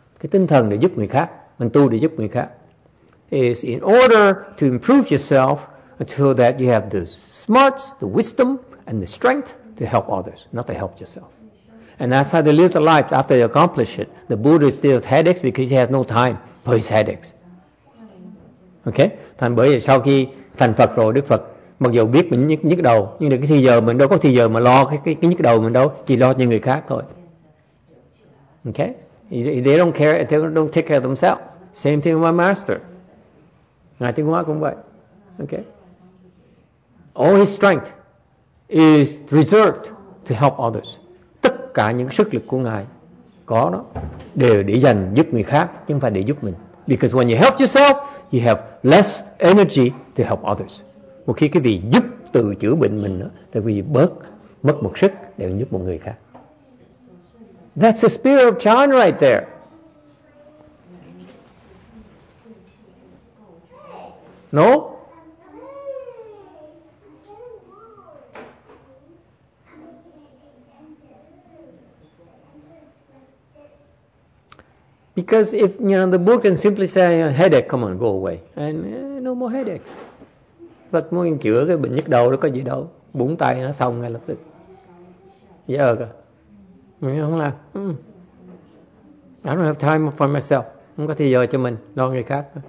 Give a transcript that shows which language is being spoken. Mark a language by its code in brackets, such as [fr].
[vi] Cái tinh thần để giúp người khác, mình tu để giúp người khác. [en] It's in order to improve yourself so that you have the smarts, the wisdom, and the strength to help others, not to help yourself. And that's how they live their life after they accomplish it. The Buddha still has headaches because he has no time for his headaches. Okay? [vi] Thành bởi vì sau khi thành Phật rồi, Đức Phật mặc dù biết mình nhức đầu, nhưng được cái thời giờ mình đâu có thời giờ mà lo cái nhức đầu mình đâu, chỉ lo cho người khác thôi. [en] Okay? They don't care, they don't take care of themselves. Same thing with my master. [vi] Ngài Tiên Hóa cũng vậy. [en] Okay? All his strength is reserved to help others. [vi] Tất cả những sức lực của Ngài có đó, đều để dành giúp người khác, chứ không phải để giúp mình. [en] Because when you help yourself, you have less energy to help others. [vi] Một khi cái vị giúp tự chữa bệnh mình đó, tại vì mất một sức để giúp một người khác. [en] That's the spirit of chan right there. No? Because if you know the book can simply say headache, come on, go away, and no more headaches. [vi] Phật muốn anh chữa cái bệnh nhức đầu đó có gì đâu, búng tay nó xong ngay lập tức. Dạ ờ cơ. Mình không làm. [en] I don't have time for myself. [vi] Không có thời giờ cho mình, lo người khác.